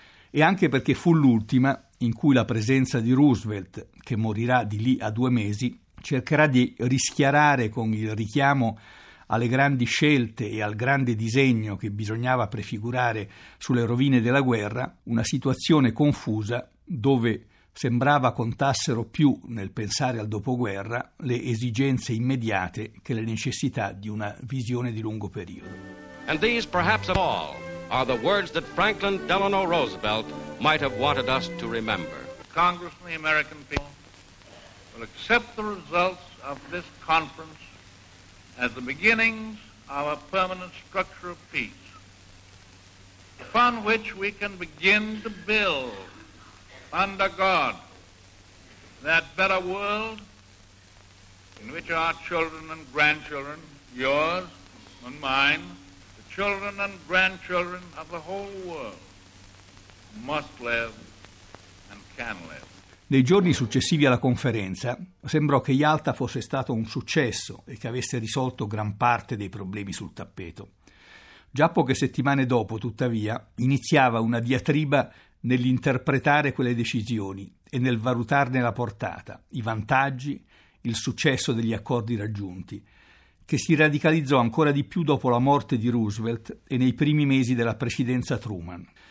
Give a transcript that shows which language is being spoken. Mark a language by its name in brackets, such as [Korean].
[Italian] E anche perché fu l'ultima in cui la presenza di Roosevelt, che morirà di lì a due mesi, cercherà di rischiarare con il richiamo alle grandi scelte e al grande disegno che bisognava prefigurare sulle rovine della guerra, una situazione confusa dove sembrava contassero più nel pensare al dopoguerra le esigenze immediate che le necessità di una visione di lungo periodo. [English] And these perhaps of all are the words that Franklin Delano Roosevelt might have wanted us to remember. Congress and the American people will accept the results of this conference as the beginnings of a permanent structure of peace, upon which we can begin to build, under God, that better world in which our children and grandchildren, yours and mine, the children and grandchildren of the whole world, must live and can live. [Italian] Nei giorni successivi alla conferenza sembrò che Yalta fosse stato un successo e che avesse risolto gran parte dei problemi sul tappeto. Già poche settimane dopo, tuttavia, iniziava una diatriba nell'interpretare quelle decisioni e nel valutarne la portata, i vantaggi, il successo degli accordi raggiunti, che si radicalizzò ancora di più dopo la morte di Roosevelt e nei primi mesi della presidenza Truman.